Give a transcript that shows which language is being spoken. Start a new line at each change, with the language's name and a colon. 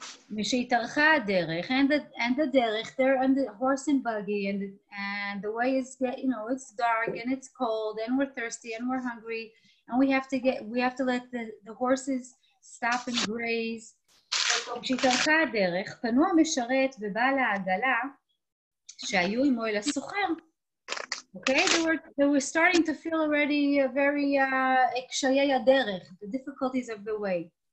English: And the derech, they're on the horse and buggy, and the way is, you know, it's dark and it's cold and we're thirsty and we're hungry, and we have to let the horses stop and graze.
Hebrew: כשהתארכה הדרך, פנו המשרת ובעל העגלה שהיו עם מועל הסוחר.
English: Okay, they were starting to feel already very
Hebrew: קשיי הדרך,
English: the difficulties of the way.